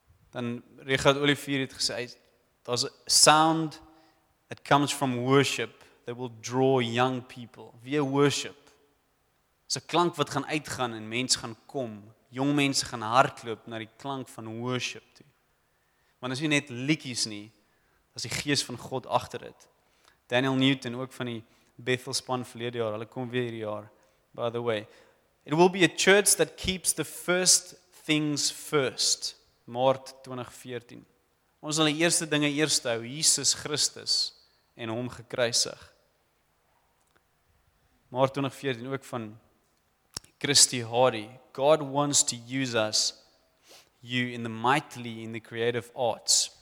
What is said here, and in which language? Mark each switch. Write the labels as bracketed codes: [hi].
[af] Dan Richard Olivier het gesê, daar's 'n [en] sound that comes from worship that will draw young people. Via worship. [af] Dis 'n klank wat gaan uitgaan en mense gaan kom. Jong mense gaan hardloop na die klank van worship toe. Want as jy net liedjies nie, as die gees van God agter dit. Daniel Newton, ook van die Bethel span verlede jaar, hulle kom weer hierdie jaar, [en] by the way. It will be a church that keeps the first things first. [af] Maart 2014. Ons sal die eerste dinge eerste hou, Jesus Christus en hom gekruisig. Maart 2014, ook van Christy Hardy. [en] God wants to use us. You in the mightily in the creative arts.